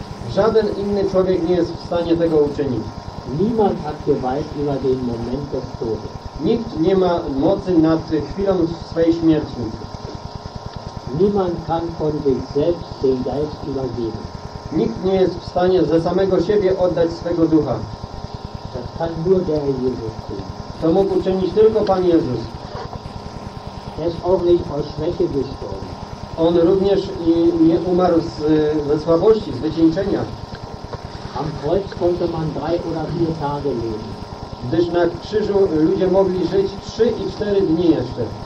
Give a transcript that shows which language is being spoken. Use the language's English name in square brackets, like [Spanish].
[Polish] Żaden inny człowiek nie jest w stanie tego uczynić. [German] Niemand hat Gewalt über den Moment des Todes. [Polish] Nikt nie ma mocy nad chwilą swojej śmierci. [German] Niemand kann von sich selbst den Geist übergeben. [Polish] Nikt nie jest w stanie ze samego siebie oddać swego ducha. [German] Das kann nur der Jesus tun. [Polish] To mógł uczynić tylko Pan Jezus. [German] Er ist auch nicht aus Schwäche gestorben. [Polish] On również nie umarł ze słabości, z wycieńczenia. [German] Am Kreuz konnte man 3 oder 4 Tage leben. [Polish] Gdyż na krzyżu ludzie mogli żyć 3 i 4 dni jeszcze.